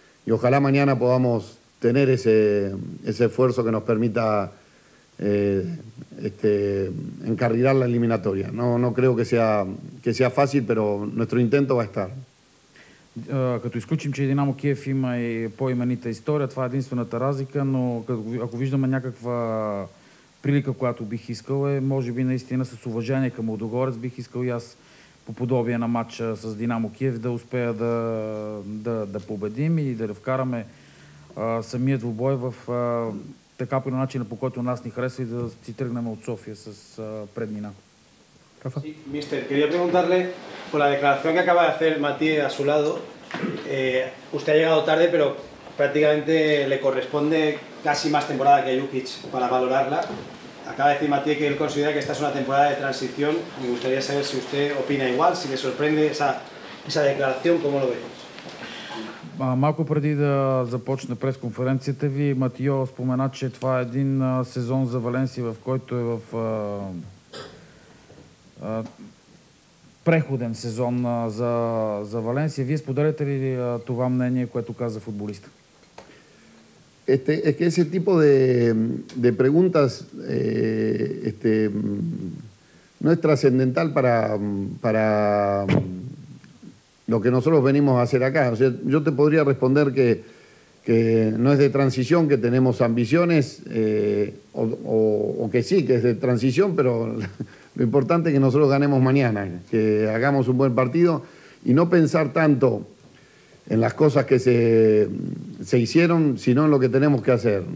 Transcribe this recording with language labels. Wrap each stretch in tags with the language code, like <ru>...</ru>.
<es>Y ojalá mañana podamos tener ese esfuerzo que nos permita encarrilar la eliminatoria. No creo que sea fácil, pero nuestro intento va a estar.</es> <bg>Като изключим, че Динамо Киев има и по-имената история, това е единствената разлика, но ако виждаме някаква прилика, която бих искал, може би наистина с уважение към Лудогорец, бих искал и аз по подобие на матча с Динамо Киев да успея да победим и да вкараме самият двубой в така по начина, по който нас ни хареса, и да си тръгнем от София с предмина.</bg> <es>Sí, mister, quería preguntarle por la declaración que acaba de hacer Mati a su lado. Usted ha llegado tarde, pero prácticamente le corresponde casi más temporada que a Jukic para valorarla. Acaba de decir Mati que él considera que esta es una temporada de transición. Me gustaría saber si usted opina igual, si le sorprende esa declaración, ¿cómo lo ve?</es> <bg>Малко преди да започне пресконференцията ви, Матио спомена, че това е един сезон за Валенсия, в който е в преходен сезон за Валенсия. Вие споделяте ли това мнение, което каза футболиста?</bg> <es>Es que ese tipo de preguntas no es trascendental para lo que nosotros venimos a hacer acá. O sea, yo te podría responder que no es de transición, que tenemos ambiciones, o que sí, que es de transición, pero lo importante es que nosotros ganemos mañana, que hagamos un buen partido y no pensar tanto en las cosas que se hicieron, sino en lo que tenemos que hacer.</es>